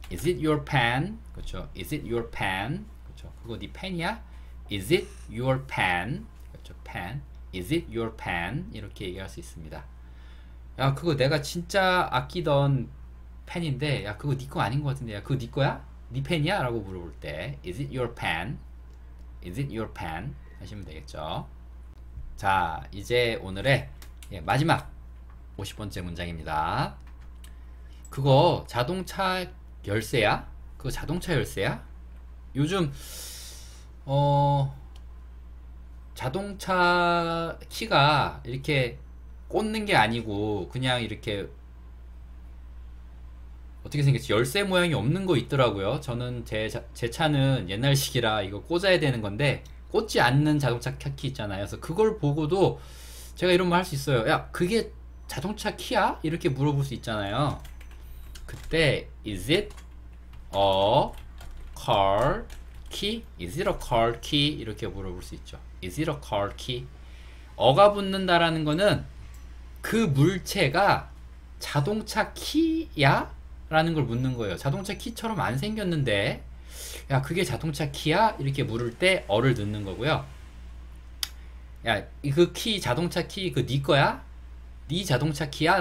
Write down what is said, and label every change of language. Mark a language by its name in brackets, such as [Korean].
[English] Is it your pen? 그렇죠? Is it your pen? 그렇죠? [Korean] 그거 네 펜이야? [English] Is it your pen? 그렇죠? Pen. Is it your pen? [Korean] 이렇게 얘기할 수 있습니다. 야, 그거 내가 진짜 아끼던 펜인데, 야, 그거 네거 아닌 것 같은데, 야, 그거 네 거야? 네 펜이야? 라고 물어볼 때, [English] Is it your pen? Is it your pen? [Korean] 하시면 되겠죠. 자, 이제 오늘의 마지막 50번째 문장입니다. 그거 자동차 열쇠야? 그거 자동차 열쇠야? 요즘, 자동차 키가 이렇게 꽂는 게 아니고, 그냥 이렇게 어떻게 생겼지? 열쇠 모양이 없는 거 있더라고요. 저는 제 차는 옛날식이라 이거 꽂아야 되는 건데, 꽂지 않는 자동차 키 있잖아요. 그래서 그걸 보고도 제가 이런 말할수 있어요. 야, 그게 자동차 키야? 이렇게 물어볼 수 있잖아요. 그때, [English] Is it a car key? Is it a car key? [Korean] 이렇게 물어볼 수 있죠. [English] Is it a car key? [Korean] 어가 붙는다라는 거는 그 물체가 자동차 키야? 라는 걸 묻는 거예요. 자동차 키처럼 안 생겼는데, 야, 그게 자동차 키야? 이렇게 물을 때, 어를 넣는 거고요. 야, 그 키, 자동차 키, 그니 거야? 니 자동차 키야?